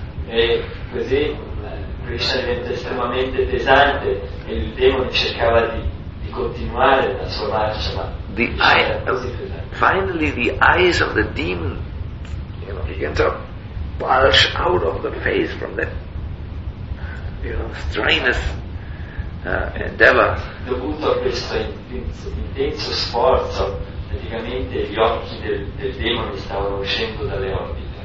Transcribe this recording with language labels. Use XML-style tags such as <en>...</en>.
<it>E così Krishna diventa estremamente pesante e il demone cercava di continuare la sua marcia, ma</it> <en>the eye, finally the eyes of the demon, you know, began to bulge out of the face from that, you know, strenuous endeavor.</en> <it>Dovuto a questo intenso sforzo, praticamente gli occhi del demone stavano uscendo dalle orbite.</it>